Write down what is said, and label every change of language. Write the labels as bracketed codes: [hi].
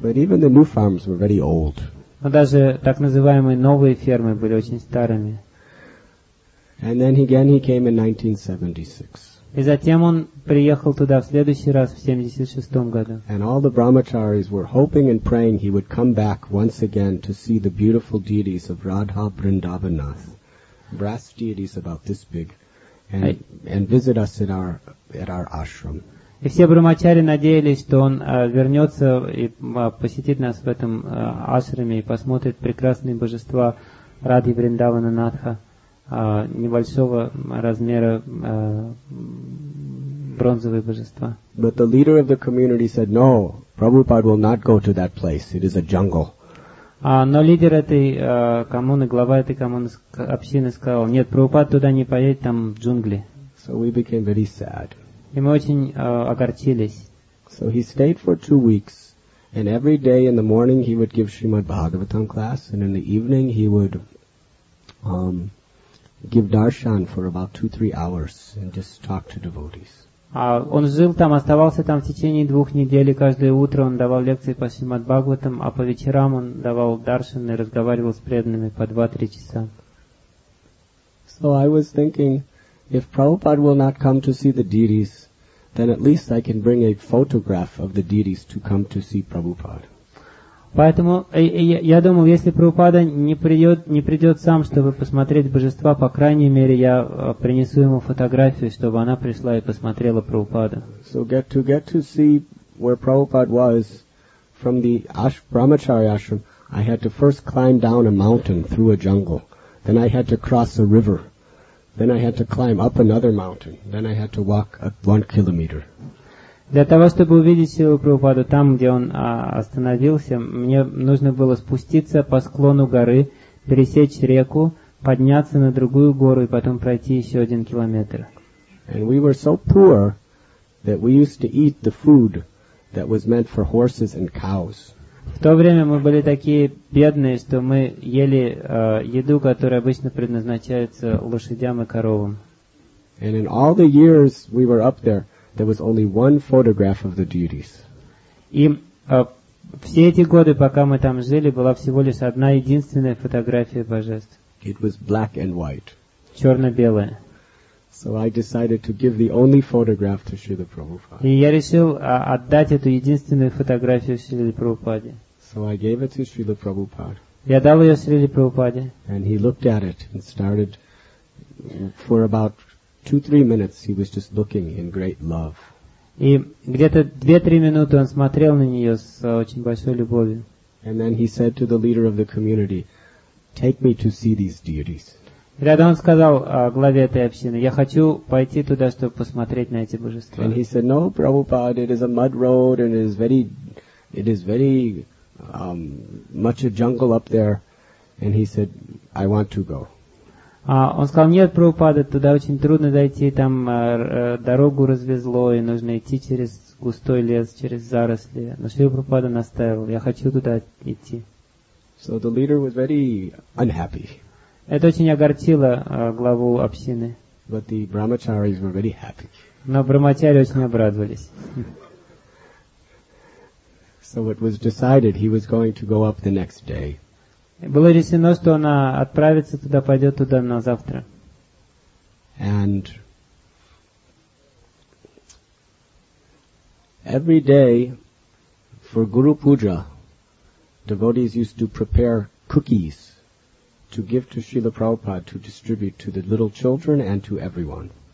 [en] But even the new farms were very old. [ru] Но даже так называемые новые фермы были очень старыми. [en] And then again he came in 1976. [ru] И затем он приехал туда в следующий раз в 76 году. [en] And all the brahmacharis were hoping and praying he would come back once again to see the beautiful deities of Radha Vrindavanath, brass deities about this big. And visit us at our ashram. [ru] И все брахмачари надеялись, что он вернется и посетит нас в этом ашраме и посмотрит прекрасные божества Радхи Вриндавана Натха, небольшого размера бронзовые божества. [en] But the leader of the community said, no, Prabhupada will not go to that place. It is a jungle. [ru] Но лидер этой коммуны, глава этой коммуны общины сказал, нет, Прабхупад туда не поедет, там джунгли. [en] So we became very sad. [ru] И мы очень огорчились. [en] So he stayed for 2 weeks, and every day in the morning he would give Srimad Bhagavatam class, and in the evening he would give darshan for about 2-3 hours and just talk to devotees. [ru] Он жил там, оставался там в течение 2 недель, и каждое утро он давал лекции по Шримад Бхагаватам, а по вечерам он давал даршан и разговаривал с преданными по 2-3 часа. [en] So I was thinking, if Prabhupada will not come to see the deities, then at least I can bring a photograph of the deities to come to see Prabhupada. [ru] Поэтому я думал, если Прабхупада не придет сам, чтобы посмотреть божества, по крайней мере, я принесу ему фотографию, чтобы она пришла и посмотрела Прабхупада. [en] So to get to see where Prabhupada was from the Brahmachari ashram, I had to first climb down a mountain through a jungle. Then I had to cross a river. Then I had to climb up another mountain. Then I had to walk 1 kilometer. [ru] Для того, чтобы увидеть Шрилу Прабхупаду там, где он остановился, мне нужно было спуститься по склону горы, пересечь реку, подняться на другую гору и потом пройти еще один километр. [en] And we were so poor that we used to eat the food that was meant for horses and cows. [ru] В то время мы были такие бедные, что мы ели еду, которая обычно предназначается лошадям и коровам. [en] And in all the years we were up there, there was only one photograph of the deities. [ru] И все эти годы, пока мы там жили, была всего лишь одна единственная фотография божеств. [en] It was black and white. [ru] Черно-белая. [en] So I decided to give the only photograph to Srila Prabhupada. [ru] И я решил отдать эту единственную фотографию Шриле Прабхупаде. [en] So I gave it to Srila Prabhupada. [ru] Я дал ее Шриле Прабхупаде. [en] And he looked at it and started for about 2-3 minutes he was just looking in great love. [ru] И где-то 2-3 минуты он смотрел на нее с очень большой любовью. [en] And then he said to the leader of the community, "Take me to see these deities." [ru] И тогда он сказал главе этой общины, я хочу пойти туда, чтобы посмотреть на эти божества. [en] And he said, "No, Prabhupada, it is a mud road and it is very much a jungle up there." And he said, "I want to go." [ru] Он сказал, нет, Прабхупада, туда очень трудно дойти, там дорогу развезло, и нужно идти через густой лес, через заросли. Но Шрила Прабхупада настаивал, я хочу туда идти. [en] So the leader was very unhappy. [ru] Это очень огорчило главу общины. [en] But the brahmacharis were very happy. [ru] Но брахмачари очень обрадовались. [en] So it was decided he was going to go up the next day. [ru] Было решено, что он отправится туда, пойдет туда на завтра. [en] And every day for Guru Puja, devotees used to prepare cookies to give to Srila Prabhupada to distribute to the little children and to everyone.